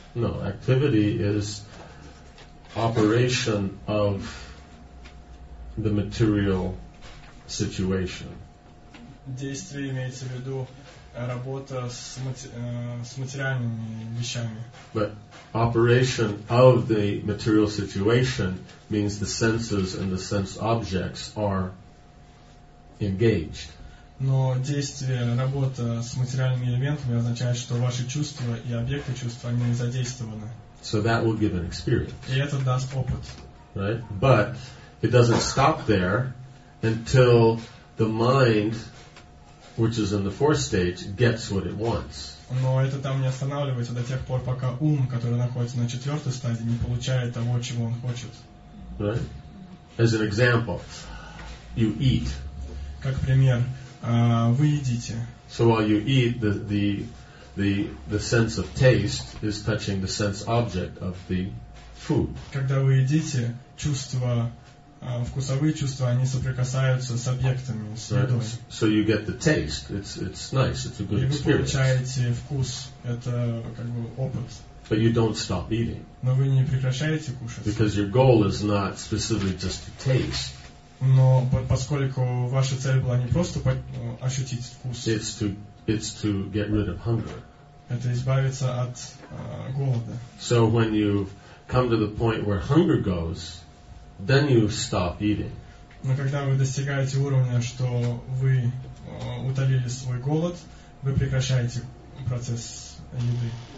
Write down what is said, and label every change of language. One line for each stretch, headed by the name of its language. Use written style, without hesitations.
English: No, activity is operation of the material situation.
Russian: Действие имеется в виду работа с материальными вещами.
English: But operation of the material situation means the senses and the sense objects are engaged.
Russian: Но действие, работа с материальными элементами означает, что ваши чувства и объекты чувства не задействованы.
English: So that will give an experience.
Russian: И это даст опыт.
English: Right? But it doesn't stop there until the mind, which is in the fourth stage, gets what it wants.
Russian: Но это там не останавливается до тех пор, пока ум, который находится на четвертой стадии, не получает того, чего он хочет.
English: Right? As an example, you eat.
Russian: Как пример. вы едите.
English: So while you eat, the sense of taste is touching the sense object of the food.
Russian: Когда вы едите, чувства, вкусовые чувства, они соприкасаются с объектами, с едой.
English: So you get the taste. It's nice. It's a good experience.
Russian: И вы получаете вкус. Это как бы опыт.
English: But you don't stop eating.
Russian: Но вы не прекращаете кушать.
English: Because your goal is not specifically just to taste.
Russian: Но поскольку ваша цель была не просто ощутить вкус.
English: It's to get rid of hunger.
Russian: Это избавиться от голода.
English: So when you come to the point where hunger goes, then you stop eating.
Russian: Но когда вы достигаете уровня, что вы утолили свой голод, вы прекращаете процесс еды.